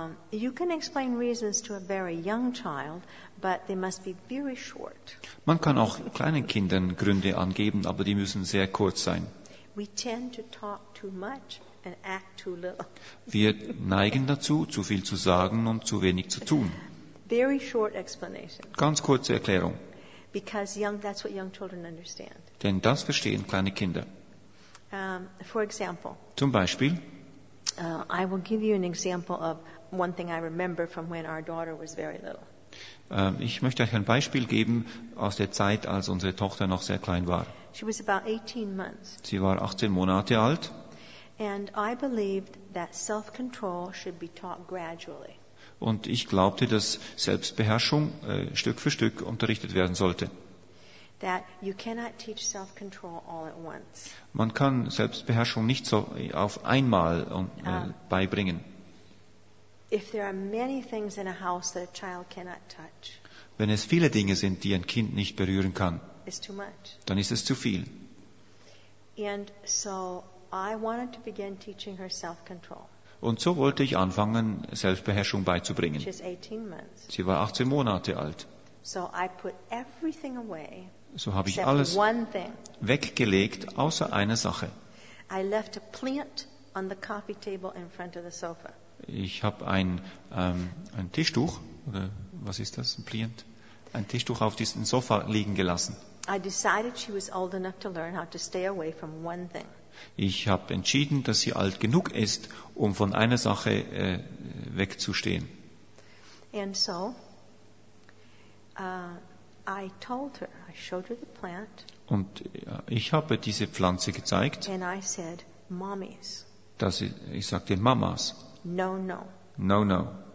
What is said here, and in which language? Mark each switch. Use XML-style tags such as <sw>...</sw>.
<en>You can explain reasons to a very young child, but they must be very short.</en> <de>Man kann auch kleinen Kindern Gründe angeben, aber die müssen sehr kurz sein.</de> <en>We tend to talk too much and act too little.</en> <de>Wir neigen dazu, zu viel zu sagen und zu wenig zu tun.</de> <en>Very short explanation.</en> <de>Ganz kurze Erklärung.</de> <en>Because young, that's what young children understand.</en> <de>Denn das verstehen kleine Kinder.</de> <en>For example,</en> <de>zum Beispiel,</de> <en>I will give you an example of one thing I remember from when our daughter was very little.</en> <de>Ich möchte euch ein Beispiel geben aus der Zeit, als unsere Tochter noch sehr klein war.</de> <en>She was about 18 months.</en> <de>Sie war 18 Monate alt.</de> <en>And I believed that self-control should be taught gradually.</en> <de>Und ich glaubte, dass Selbstbeherrschung Stück für Stück unterrichtet werden sollte.</de> <en>That you cannot teach self-control all at once.</en> <de>Man kann Selbstbeherrschung nicht so auf einmal beibringen.</de> <en>If there are many things in a house that a child cannot touch,</en> <de>wenn es viele Dinge sind, die ein Kind nicht berühren kann,</de> <en>it's too much.</en> <de>Dann ist es zu viel.</de> <en>And so I wanted to begin teaching her self-control.</en> <de>Und so wollte ich anfangen, Selbstbeherrschung beizubringen. Sie war 18 Monate alt.</de> <en>So, I put everything away,</en> <de>so habe ich alles weggelegt, außer einer Sache.</de> <en>I left a plant on the coffee table in front of the sofa.</en> <de>Ich habe ein Tischtuch, oder was ist das, ein Plant? Ein Tischtuch auf diesem Sofa liegen gelassen.</de> <en>I decided she was old enough to learn how to stay away from one thing.</en> <de>Ich habe entschieden, dass sie alt genug ist, um von einer Sache wegzustehen.</de> <en>And so, I told her, I showed her the plant,</en> <de>und ich habe diese Pflanze gezeigt.</de> <en>And I said, Mommies.</en> <de>Dass ich sagte, Mamas.</de> <en>No, no. No, no.</en>